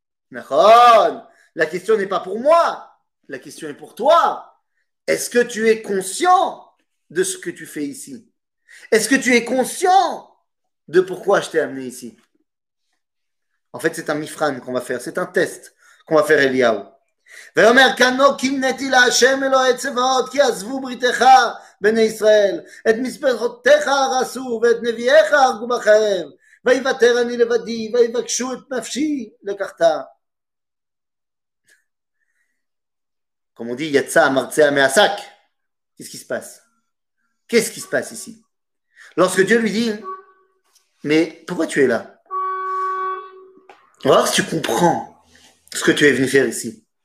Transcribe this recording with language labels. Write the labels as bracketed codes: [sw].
[fr] Nachon, la question n'est pas pour moi, la question est pour toi. Est-ce que tu es conscient de ce que tu fais ici? Est-ce que tu es conscient de pourquoi je t'ai amené ici? En fait, c'est un mifran qu'on va faire, c'est un test qu'on va faire, Eliyahu. [he] ואומר כאן לא קימנתי להשם אלוהי צבאות כי עזבו בריתך בני ישראל את מספרותיך הרסו ואת נביאיך הרגו בחרב ויוותר אני לבדי ויבקשו את נפשי לקחתה. [fr] Comme on dit, [he] יצא המרצע מהשק. [fr] Qu'est-ce qui se passe? Qu'est-ce qui se passe ici? Lorsque Dieu lui dit, mais pourquoi tu es là? Alors, si tu comprends ce que tu es venu faire ici.